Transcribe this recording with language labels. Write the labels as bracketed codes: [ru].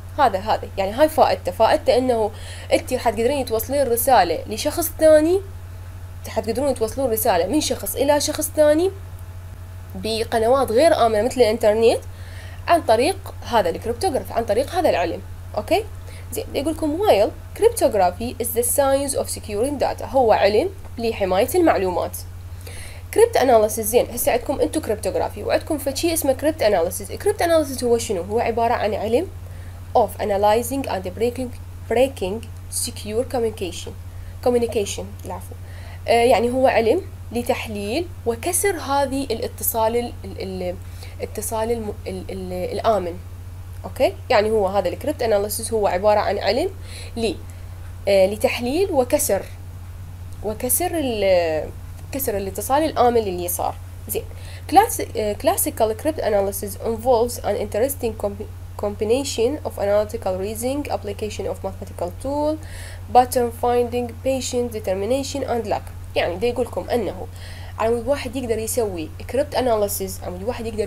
[ar] هذا يعني هاي فائدته أنه أنتي راح تقدرين توصلين رسالة لشخص ثاني، راح تقدرون توصلون رسالة من شخص إلى شخص ثاني بقنوات غير آمنة مثل الإنترنت عن طريق هذا الكريبتوغرافي، عن طريق هذا العلم. أوكي زين، يقولكم [en] while cryptography is the science of securing data، [ar] هو علم لحماية المعلومات. كريبت اناليسيس زين، هسه عندكم انتم كريبتوغرافي وعندكم فشي اسمه كريبت اناليسيس. كريبت اناليسيس هو شنو؟ هو عباره عن علم [en] of analyzing and breaking secure communication [ar] العفو. يعني هو علم لتحليل وكسر هذه الاتصال الاتصال الامن. اوكي، يعني هو هذا الكريبت اناليسيس هو عباره عن علم لتحليل وكسر الاتصال الآمن اللي صار زين. [en] classical crypt analysis involves an interesting combination of analytical reasoning, application of mathematical tool, pattern finding, patient determination and luck. [ar] يعني ده يقول لكم انه عمود واحد يقدر يسوي crypt analysis، عمود واحد